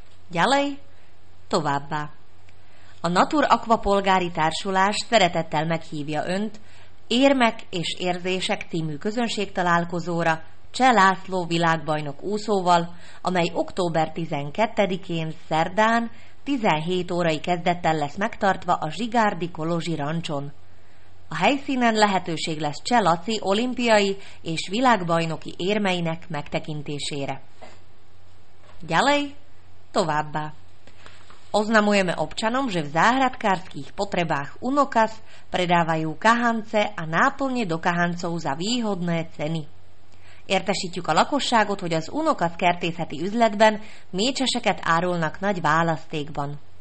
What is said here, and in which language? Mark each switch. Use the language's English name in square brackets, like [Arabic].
[Hungarian] Gyalej, továbbá. A Natur Aqua Polgári Társulás szeretettel meghívja Önt Érmek és Érzések című közönségtalálkozóra Cseh László világbajnok úszóval, amely október 12-én szerdán 17 órai kezdettel lesz megtartva a Zsigárdi Kolozsi Rancson. A helyszínen lehetőség lesz Cseh Laci olimpiai és világbajnoki érmeinek megtekintésére. Gyalej, továbbá. [Slovak] Oznamujeme občanom, že v záhradkárskych potrebách Unokas predávajú kahance a náplne do kahancov za výhodné ceny. [Hungarian] Értesítjük a lakosságot, hogy az Unokas kertészeti üzletben mécseseket árulnak nagy választékban.